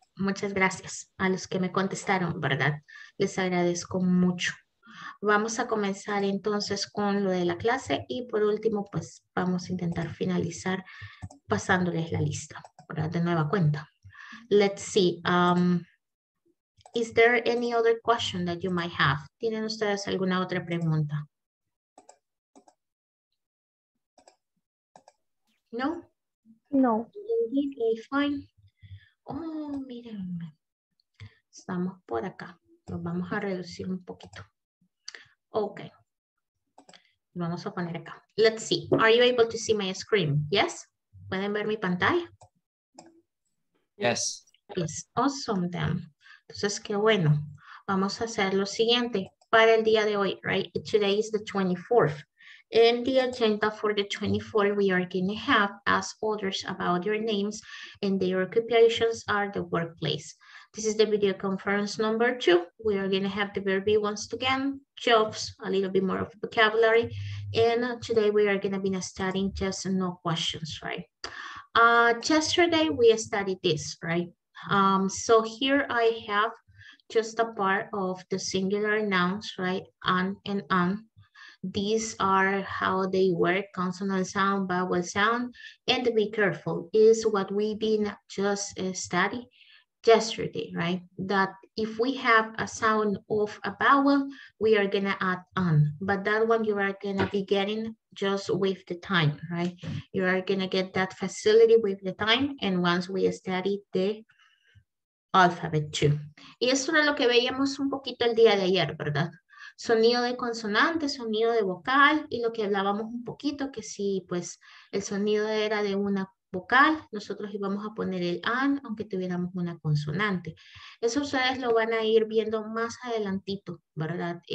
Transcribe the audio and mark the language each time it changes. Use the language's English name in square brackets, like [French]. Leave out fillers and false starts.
[Spanish] Muchas gracias a los que me contestaron, ¿verdad? Les agradezco mucho. Vamos a comenzar entonces con lo de la clase y por último, pues vamos a intentar finalizar pasándoles la lista, ¿verdad? De nueva cuenta. [English] Let's see. Is there any other question that you might have? [Spanish] ¿Tienen ustedes alguna otra pregunta? No? No. [English] Okay, fine. [Spanish] Oh, miren. Estamos por acá. Nos vamos a reducir un poquito. Ok. Vamos a poner acá. [English] Let's see. Are you able to see my screen? Yes? [Spanish] ¿Pueden ver mi pantalla? [English] Yes. Yes. Awesome, then. [Spanish] Entonces, qué bueno. Vamos a hacer lo siguiente para el día de hoy, right? [English] Today is the 24th. In the agenda for the 24th, we are going to have ask others about your names and their occupations are the workplace. This is the video conference number 2. We are going to have the verb once again, jobs, a little bit more of vocabulary. And today we are going to be studying just no questions, right? Yesterday we studied this, right? So here I have just a part of the singular nouns, right? An and an. These are how they work, consonant sound, vowel sound, and be careful is what we been just study yesterday, right? That if we have a sound of a vowel, we are gonna add an, but that one you are gonna be getting just with the time, right? You are gonna get that facility with the time and once we study the alphabet too. [Spanish] Y eso era lo que veíamos un poquito el día de ayer, ¿verdad? Sonido de consonante, sonido de vocal y lo que hablábamos un poquito que si pues el sonido era de una vocal, nosotros íbamos a poner el an aunque tuviéramos una consonante. Eso ustedes lo van a ir viendo más adelantito, ¿verdad?